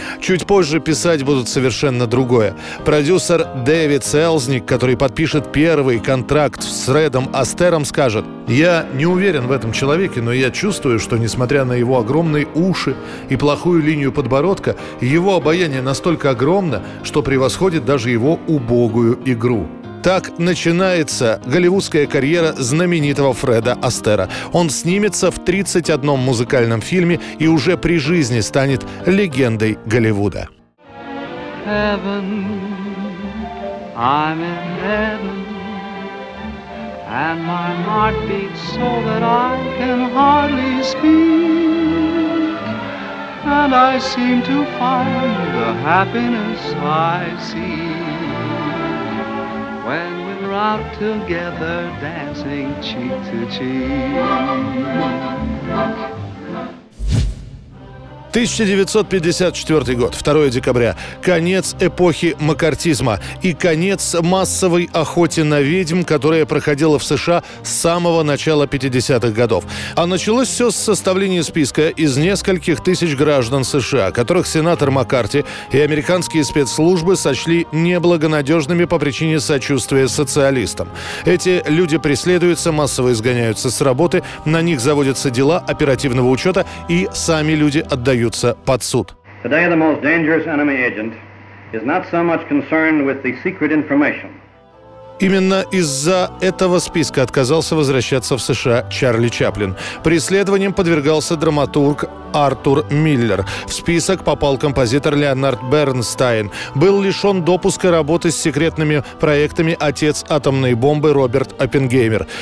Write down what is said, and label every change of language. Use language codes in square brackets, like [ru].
[ru] Чуть позже писать будут совершенно другое. Продюсер Дэвид Селзник, который подпишет первый контракт с Фредом Астером, скажет: «Я не уверен в этом человеке, но я чувствую, что, несмотря на его огромные уши и плохую линию подбородка, его обаяние настолько огромно, что превосходит даже его убогую игру». Так начинается голливудская карьера знаменитого Фреда Астера. Он снимется в 31 музыкальном фильме и уже при жизни станет легендой Голливуда. [en] Heaven, I'm in heaven, and my heart beats so that I can hardly speak, and I seem to find the happiness I see. When we're out together dancing cheek to cheek. [ru] 1954 год, 2 декабря. Конец эпохи маккартизма и конец массовой охоте на ведьм, которая проходила в США с самого начала 50-х годов. А началось все с составления списка из нескольких тысяч граждан США, которых сенатор Маккарти и американские спецслужбы сочли неблагонадежными по причине сочувствия социалистам. Эти люди преследуются, массово изгоняются с работы, на них заводятся дела оперативного учета и сами люди отдают под суд. [en] Today the most dangerous enemy agent is not so much concerned with the secret information. [ru] Именно из-за этого списка отказался возвращаться в США Чарли Чаплин. Преследованием подвергался драматург Артур Миллер. В список попал композитор Леонард Бернстайн. Был лишен допуска работы с секретными проектами отец атомной бомбы Роберт Оппенгеймер.